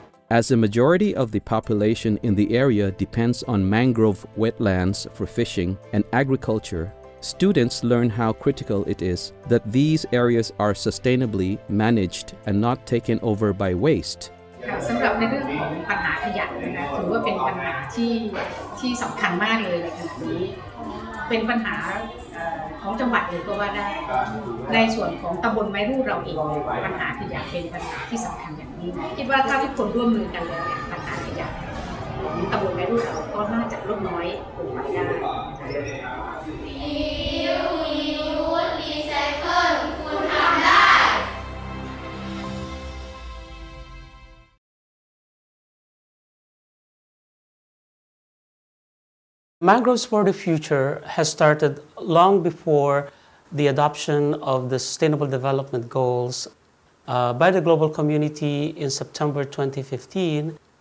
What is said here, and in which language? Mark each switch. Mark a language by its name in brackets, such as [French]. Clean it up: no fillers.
[English] As the majority of the population in the area depends on mangrove wetlands for fishing and agriculture, students learn how critical it is that these areas are sustainably managed and not taken over by waste. [Thai] สำหรับในเรื่องของปัญหาขยะนะถือว่าเป็นปัญหาที่สำคัญมากเลยในขณะนี้เป็นปัญหาของจังหวัดเลยก็ว่าได้ในส่วนของตำบลไม้รูดเราเองปัญหาขยะเป็นปัญหาที่สำคัญอย่างนี้คิดว่าถ้าทุกคนร่วมมือกันแล้วปัญหาขยะของตำบลไม้รูดเราก็น่าจะลดน้อยลงไปได้ [English] Mangroves for the Future has started long before the adoption of the Sustainable Development Goals by the global community in September 2015.